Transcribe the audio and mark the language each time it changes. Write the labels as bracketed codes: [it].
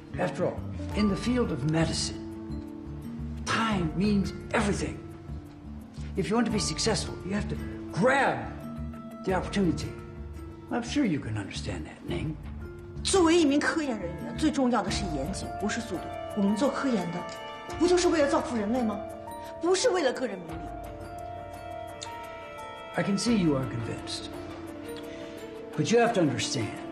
[en] After all, in the field of medicine, time means everything. If you want to be successful, you have to grab the opportunity I'm sure you can understand that, Ning. [zh] 作为一名科研人员，最重要的是严谨，不是速度。我们做科研的，不就是为了造福人类吗？不是为了个人名利。 [en] I can see you are convinced, but you have to understand.